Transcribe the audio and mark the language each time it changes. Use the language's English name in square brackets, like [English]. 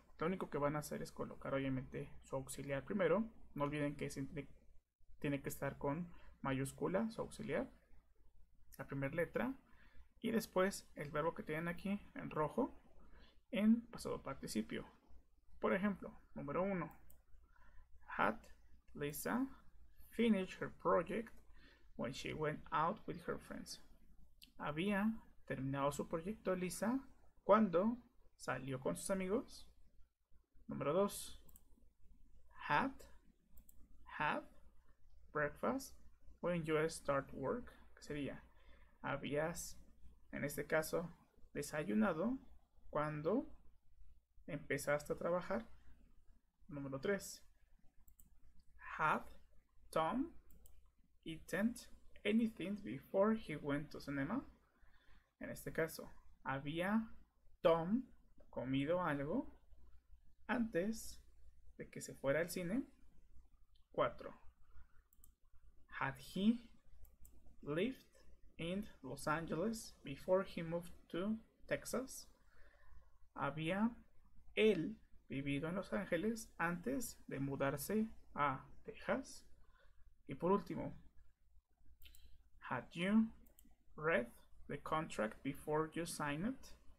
[Spanish] Lo único que van a hacer es colocar, obviamente, su auxiliar primero. No olviden que tiene que estar con mayúscula su auxiliar, la primera letra. Y después el verbo que tienen aquí en rojo, en pasado participio. Por ejemplo, número 1. [English] Had Lisa finished her project when she went out with her friends? [Spanish] ¿Había terminado su proyecto Lisa cuando salió con sus amigos? Número 2. [English] Had breakfast when you start work? [Spanish] ¿Qué sería? ¿Habías, en este caso, desayunado cuando empezaste a trabajar? Número 3. [English] Have Tom eaten anything before he went to cinema? [Spanish] En este caso, ¿había Tom comido algo antes de que se fuera al cine? 4. [English] Had he lived in Los Angeles before he moved to Texas? [Spanish] ¿Había él vivido en Los Ángeles antes de mudarse a Texas? Y por último, [English] Had you read the contract before you signed it?